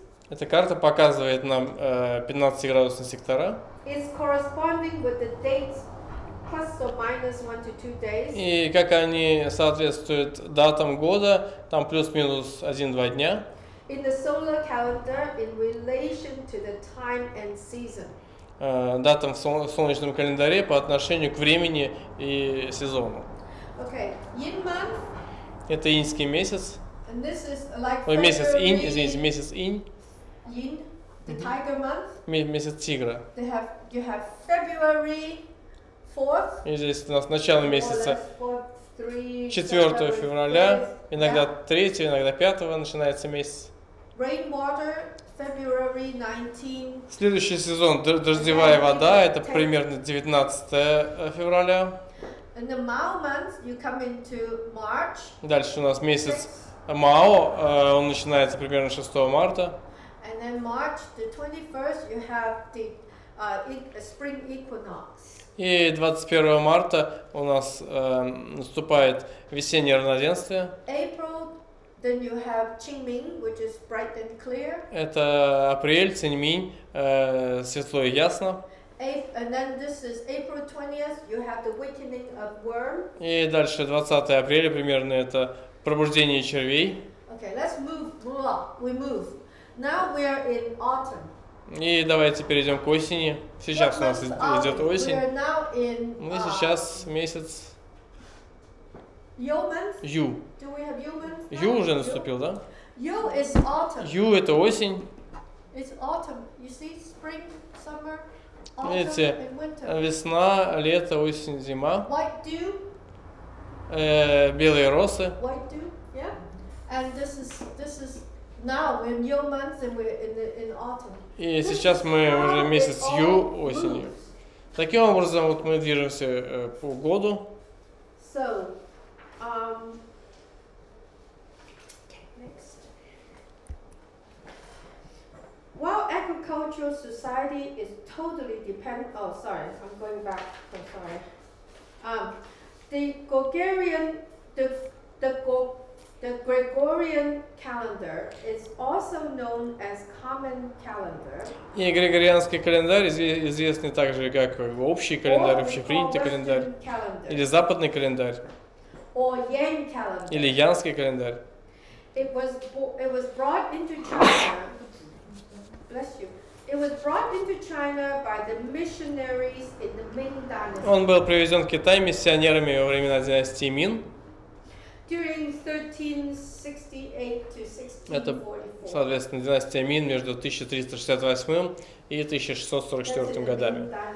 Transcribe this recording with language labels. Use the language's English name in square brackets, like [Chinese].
[Russian] Эта карта показывает нам 15-градусные сектора. И как они соответствуют датам года, там плюс-минус 1-2 дня. [English] In the solar calendar, in relation to the time and season. [Russian] Датам в солнечном календаре по отношению к времени и сезону. [English] Okay, yin month. [Russian] Это иньский месяц. [English] And this is like. [Russian] Ой, месяц инь, извините, месяц инь. [English] Yin, the tiger month. [Russian] Месяц тигра. [English] They have, you have February 4th. [Russian] И здесь у нас начало месяца. 4 февраля, иногда 3, иногда 5 начинается месяц. [English] Rainwater, February 19. [Russian] Следующий сезон дождевая вода, это примерно 19 февраля. [English] In the Mao month, you come into March. [Russian] Дальше у нас месяц Мао, он начинается примерно 6 марта. [English] And then March the 21st, you have the spring equinox. [Russian] И 21 марта у нас наступает весеннее равноденствие. [English] April, then you have Qingming, which is bright and clear. [Russian] Это апрель, Циньминь, светло и ясно. [English] And then this is April 20th, you have the weakening of worm. [Russian] И дальше 20 апреля примерно это пробуждение червей. [English] Okay, let's move. We move. Now we are in autumn. [Russian] И давайте перейдем к осени. Сейчас у нас идет осень. [English] In, [Russian] мы сейчас месяц Ю. Ю уже наступил, да? Ю это осень. Видите, весна, лето, осень, зима. [English] White dew. [Russian] белые росы. [English] White dew, yeah. And this is now in your month and we're in autumn. [Russian] И сейчас мы уже месяц ю, осенью. Таким образом, вот мы движемся по году. [English] So, okay, next. While agricultural society is totally dependent, the Gregorian, the Gregorian calendar is also known as common calendar. [Russian] И Григорианский календарь известен также как общий календарь, общепринятый календарь, или западный календарь, [English] or Yang calendar. [Russian] Или янский календарь. [English] It was brought into China. Bless you. It was brought into China by the missionaries in the Ming Dynasty. [Russian] Он был привезен в Китай миссионерами во времена династии Мин. [English] During 1368 to 1644. [Russian] Это, соответственно, династия Мин между 1368 и 1644 годами.